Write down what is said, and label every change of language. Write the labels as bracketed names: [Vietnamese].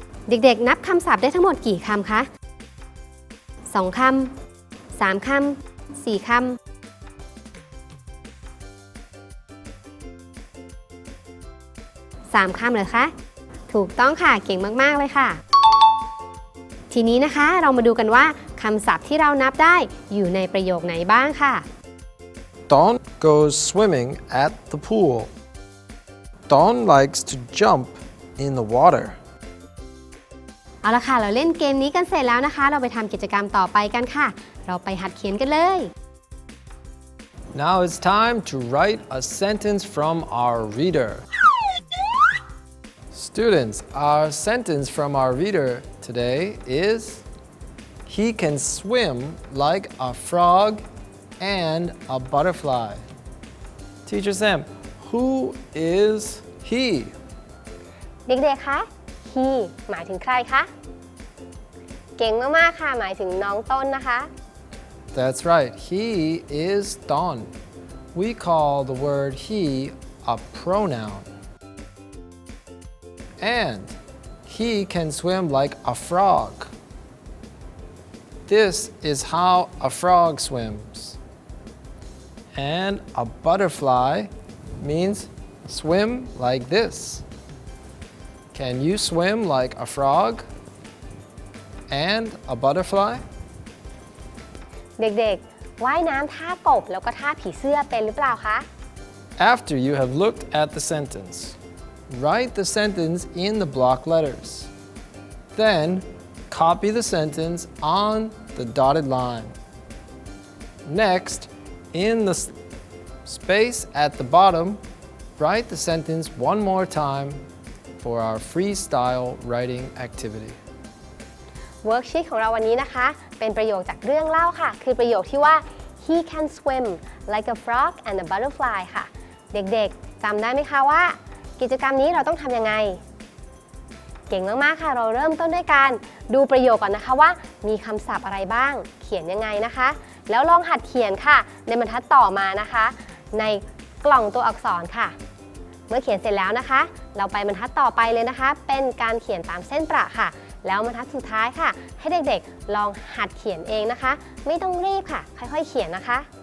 [Thai] เด็กๆนับคำศัพท์ได้ทั้งหมดกี่คำคะ2คำ3คำ4คำสามคำเลยคะถูกต้องค่ะเก่งมากๆเลยค่ะทีนี้นะคะเรามาดูกันว่าคำศัพท์ที่เรานับได้อยู่ในประโยคไหนบ้างค่ะ [English] Don goes swimming at the pool. Don likes to jump in the water [Thai] เอาละค่ะเราเล่นเกมนี้กันเสร็จแล้วนะคะเราไปทำกิจกรรมต่อไปกันค่ะเราไปหัดเขียนกันเลย [English] Now it's time to write a sentence from our reader. Students, our sentence from our reader today is He can swim like a frog and a butterfly. Teacher Sam, who is he? [Thai] เด็กๆคะ he หมายถึงใครคะเก่งมากๆค่ะหมายถึงน้องต้นนะคะ [English] That's right. He is Don. We call the word he a pronoun. And he can swim like a frog. This is how a frog swims. And a butterfly means swim like this. Can you swim like a frog? And a butterfly? [Thai] เด็กๆว่ายน้ำท่ากบแล้วก็ท่าผีเสื้อเป็นหรือเปล่าคะ [English] After you have looked at the sentence, write the sentence in the block letters. Then, copy the sentence on the dotted line. Next, in the space at the bottom, write the sentence one more time for our freestyle writing activity. [Thai] เวิร์กชีทของเราวันนี้นะคะเป็นประโยคจากเรื่องเล่าค่ะคือประโยคที่ว่า [English] he can swim like a frog and a butterfly [Thai] ค่ะเด็กๆจำได้ไหมคะว่ากิจกรรมนี้เราต้องทำยังไง เก่งมากๆค่ะเราเริ่มต้นด้วยการดูประโยคก่อนนะคะว่ามีคำศัพท์อะไรบ้างเขียนยังไงนะคะแล้วลองหัดเขียนค่ะในบรรทัดต่อมานะคะในกล่องตัวอักษรค่ะเมื่อเขียนเสร็จแล้วนะคะเราไปบรรทัดต่อไปเลยนะคะเป็นการเขียนตามเส้นประค่ะแล้วมาทัดสุดท้ายค่ะให้เด็กๆลองหัดเขียนเองนะคะไม่ต้องรีบค่ะค่อยๆเขียนนะคะ